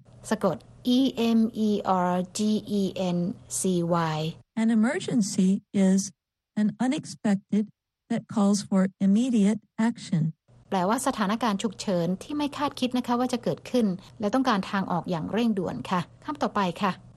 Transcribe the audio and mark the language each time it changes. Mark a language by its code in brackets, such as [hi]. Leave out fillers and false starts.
[th] สะกด emergency [en] an emergency is an unexpected that calls for immediate action. [th] แปลว่าสถานการณ์ฉุกเฉินที่ไม่คาดคิดนะคะว่าจะเกิดขึ้นและต้องการทางออกอย่างเร่งด่วนค่ะคำต่อไปค่ะ